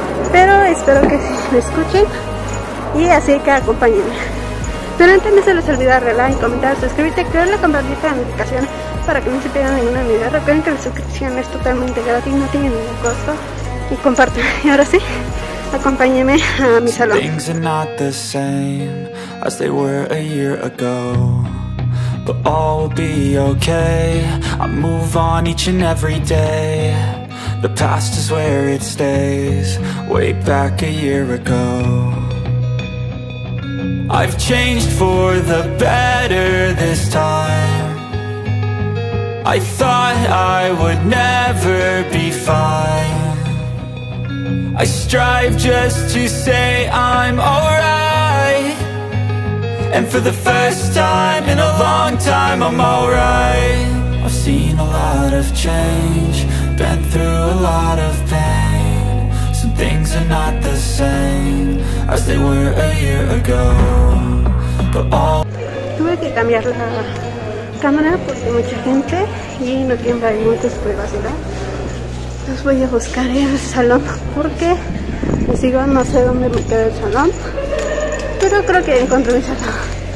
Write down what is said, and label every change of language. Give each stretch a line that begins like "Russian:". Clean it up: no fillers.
Spanish: Pero espero que sí me escuchen y así que acompáñenme. Pero antes no se les olvide darle like, comentar, suscribirte, activar la campanita de notificaciones para que no se pierdan ninguna video. Recuerden que la suscripción es totalmente gratis, no tiene ningún costo. Y comparte. Y ahora sí, acompáñeme a mi salón.
English: Things are not the same as they were a year ago. But all will be okay, I move on each and every day. The past is where it stays, way back a year ago. I've changed for the better this time. I thought I would never be fine. I strive just to say I'm alright. And for the first time in a long time I'm alright. I've seen a lot of change, been through a lot of pain. Some things are not the same as they were a year ago. But all...
Spanish: Tuve que cambiar la cámara porque mucha gente y no tiene muchas privacidad. Entonces voy a buscar el salón porque me sigo, no sé dónde me queda el salón, pero creo que encontré mi salón.